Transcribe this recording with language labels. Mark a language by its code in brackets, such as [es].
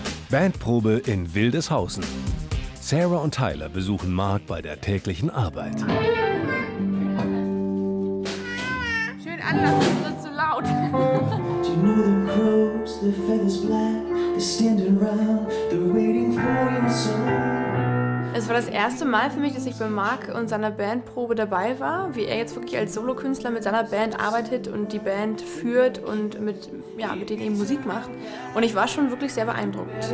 [de] Bandprobe in Wildeshausen. Sarah und Tyler besuchen Marc bei der täglichen Arbeit. Schön anlassen, das ist zu laut. [en] Do you know the crows, the feathers black, they're standing around, they're waiting for your soul. [de] Es war das erste Mal für mich, dass ich bei Marc und seiner Bandprobe dabei war. Wie er jetzt wirklich als Solokünstler mit seiner Band arbeitet und die Band führt und mit denen eben Musik macht. Und ich war schon wirklich sehr beeindruckt.